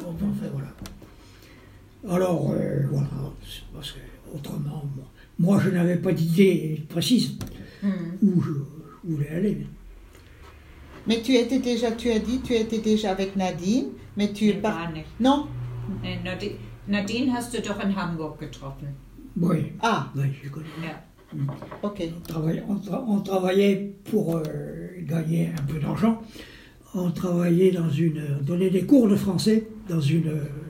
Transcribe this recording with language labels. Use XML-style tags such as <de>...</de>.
<fr>Enfin, voilà. Alors, voilà, parce que autrement, moi je n'avais pas d'idée précise où je voulais aller. Mais tu étais déjà, tu as dit, tu étais déjà avec Nadine, mais tu es pas.</fr> <de>Nicht.</de> <fr>Non.</fr> <de>Nadine hast du doch in Hamburg getroffen.</de> <fr>Oui. Ah. Oui, je connais.</fr> <de>Ja. Ok.</de> <fr>On travaillait pour gagner un peu d'argent. On travaillait dans une. On donnait des cours de français dans une.</fr>